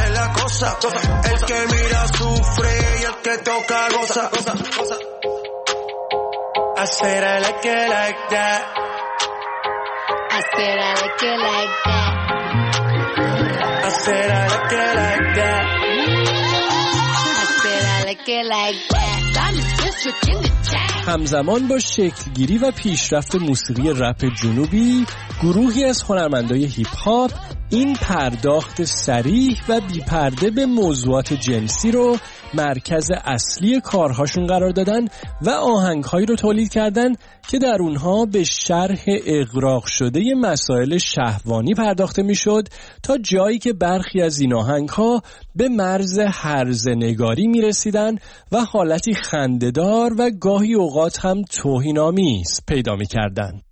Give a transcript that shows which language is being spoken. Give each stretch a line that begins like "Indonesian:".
Spanish: El que mira sufre y el que toca goza.
English: I said I like it like that. I said I like it like that. I said I like it like that. I said I like it like that. Diamond district in the chat.
Persian: همزمان با شکلگیری و پیشرفت موسیقی رپ جنوبی، گروهی از هنرمندای هیپ هاپ این پرداخت صریح و بی‌پرده به موضوعات جنسی رو مرکز اصلی کارهاشون قرار دادن و آهنگ‌هایی رو تولید کردن که در اونها به شرح اغراق شده مسائل شهوانی پرداخته می‌شد، تا جایی که برخی از این آهنگ‌ها به مرز هرزنگاری می‌رسیدن و حالتی خنده‌دار و گاهی اوقات هم توهین‌آمیز پیدا می‌کردند.